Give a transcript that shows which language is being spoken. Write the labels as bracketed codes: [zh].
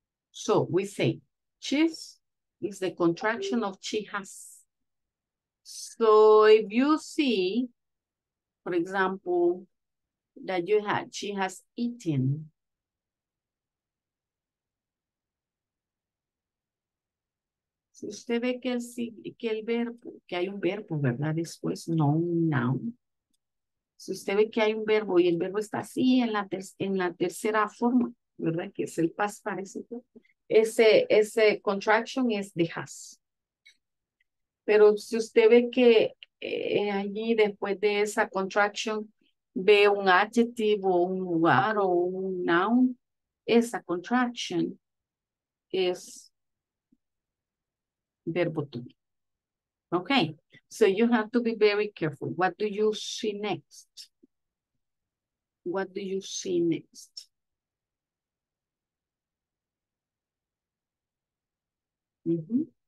[en] So we say she's is the contraction of she has. So if you see, for example, that you had, she has eaten. [es] Si usted ve que el verbo, que hay un verbo, ¿verdad? Después, no un noun. Si usted ve que hay un verbo y el verbo está así en la tercera forma, ¿verdad? Que es el past participle. Ese contraction es de has. Pero si usted ve que allí después de esa contraction ve un adjetivo, un lugar o un noun, esa contraction es verbo to be. [en] Okay, so you have to be very careful. What do you see next? What do you see next? Mm-hmm.